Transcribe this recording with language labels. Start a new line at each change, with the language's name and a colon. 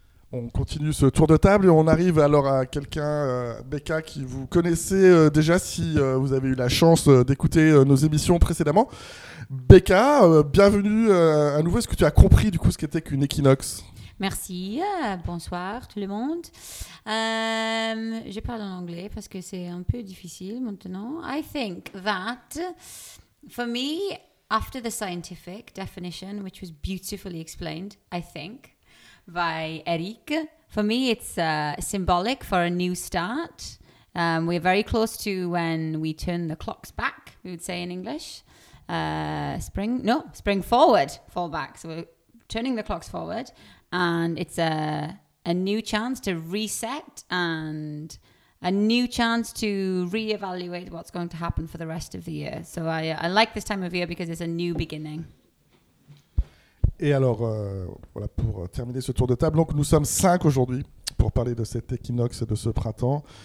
French: On continue ce tour de table et on arrive alors à quelqu'un, Becca, qui vous connaissez déjà si vous avez eu la chance d'écouter nos émissions précédemment. Becca, bienvenue à nouveau. Est-ce que tu as compris du coup ce qu'était qu'une équinoxe? Merci, bonsoir tout le monde. Je parle en anglais parce que c'est un peu difficile maintenant.
English: I think that for me, after the scientific definition, which was beautifully explained, I think, by Eric. For me, it's symbolic for a new start. We're very close to when we turn the clocks back, we would say in English. Spring forward, fall back. So we're turning the clocks forward and it's a new chance to reset and a new chance to reevaluate what's going to happen for the rest of the year. So I like this time of year because it's a new beginning.
French: Et alors, pour terminer ce tour de table, donc nous sommes cinq aujourd'hui pour parler de cet équinoxe de ce printemps.